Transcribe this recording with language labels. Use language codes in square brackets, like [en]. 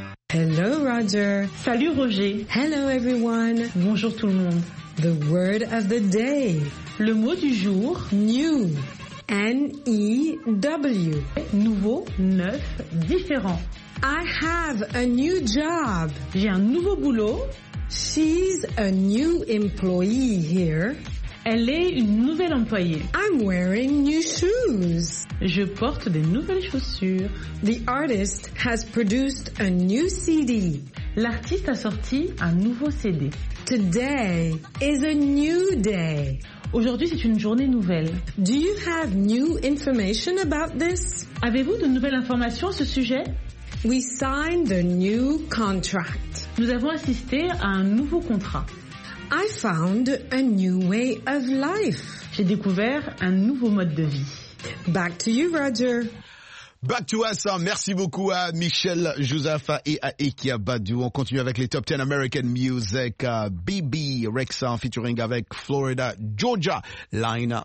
[en] Hello Roger. [fr] Salut Roger. [en] Hello everyone. [fr] Bonjour tout le monde. [en] The word of the day. [fr] Le mot du jour. [en] New. N-E-W. [fr] Nouveau, neuf, différent. [en] I have a new job. [fr] J'ai un nouveau boulot. [en] She's a new employee here. [fr] Elle est une nouvelle employée. [en] I'm wearing new shoes. [fr] Je porte des nouvelles chaussures. [en] The artist has produced a new CD. [fr] L'artiste a sorti un nouveau CD. [en] Today is a new day. [fr] Aujourd'hui, c'est une journée nouvelle. [en] Do you have new information about this? [fr] Avez-vous de nouvelles informations à ce sujet? [en] We signed a new contract. [fr] Nous avons assisté à un nouveau contrat. [en] I found a new way of life. [fr] J'ai découvert un nouveau mode de vie. [en] Back to you, Roger. Back to us. [fr] Merci beaucoup à Michel Joseph et à Ekia Badu. On continue avec les [en] top 10 American music. [fr] Bibi Rexha featuring avec Florida Georgia Line.